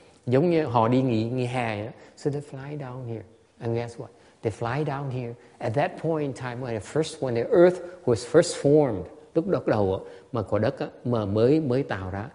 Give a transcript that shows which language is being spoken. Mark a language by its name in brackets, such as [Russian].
[Vietnamese] Giống như họ đi nghỉ hè, [English] so they fly down here. And guess what? They fly down here at that point in time when the earth was first formed. [Vietnamese] Lúc đất đầu mà quả đất mà mới tạo ra.